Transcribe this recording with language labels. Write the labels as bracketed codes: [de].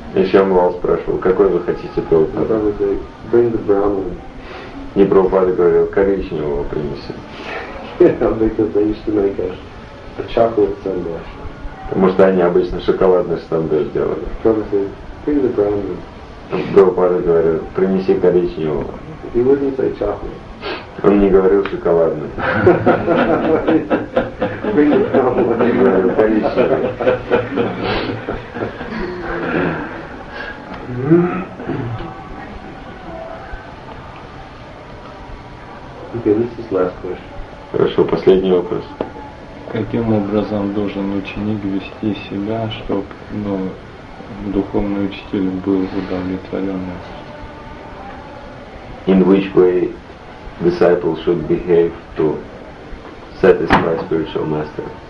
[ru] И Шьямлал спрашивал, какой вы хотите, Прабхупада? [en] Prabhupada said, bring the brown one. [ru] И Прабхупада говорил, коричневого принеси. [en] Yeah, because they used to make a chocolate sandesh. [ru] Потому что они обычно шоколадный сандеш делали. [en] Prabhupada said, bring the brown one. [ru] Прабхупада говорил, принеси коричневого. [en] He wouldn't say chocolate. [ru] Он не говорил шоколадный. [en] Bring the brown one. [ru] Он говорил коричневый. [en] Okay, this is last question. [ru] Хорошо, последний вопрос. Каким образом должен ученик вести себя, чтобы духовный учитель был удовлетворен? [en] In which way disciple should behave to satisfy spiritual master?